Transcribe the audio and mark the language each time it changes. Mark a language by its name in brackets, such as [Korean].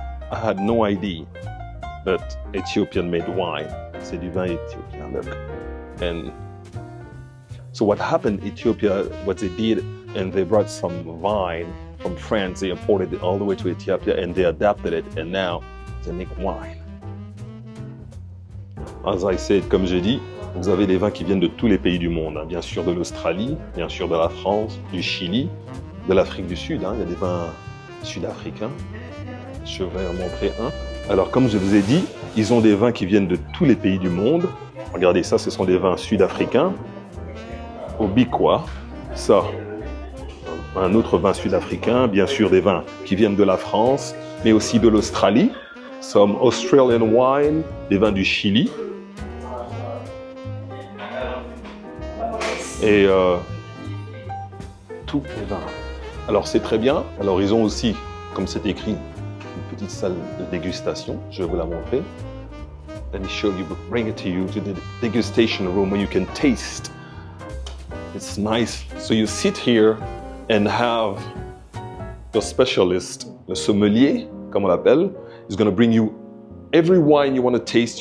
[English] I had no idea that Ethiopian made wine. [French] C'est du vin éthiopien, [English] look. And so what happened, Ethiopia, what they did, and they brought some wine from France, they imported it all the way to Ethiopia, and they adapted it, and now they make wine. As I said, [French] comme je dis, vous avez des vins qui viennent de tous les pays du monde, hein. Bien sûr de l'Australie, bien sûr de la France, du Chili, de l'Afrique du Sud, hein. Il y a des vins sud-africains. Je vais en montrer un. Alors, comme je vous ai dit, ils ont des vins qui viennent de tous les pays du monde. Regardez ça, ce sont des vins sud-africains. Obikwa, ça, un autre vin sud-africain. Bien sûr, des vins qui viennent de la France, mais aussi de l'Australie. [English] Some Australian wine, [French] des vins du Chili. Et tous les vins. Alors c'est très bien. Alors ils ont aussi, comme c'est écrit, une petite salle de dégustation. Je vais vous la montrer. [English] Let me show you, bring it to you to the degustation room where you can taste. It's nice. So you sit here and have your specialist, [French] le sommelier, comme on l'appelle, [English] is going to bring you every wine you want to taste.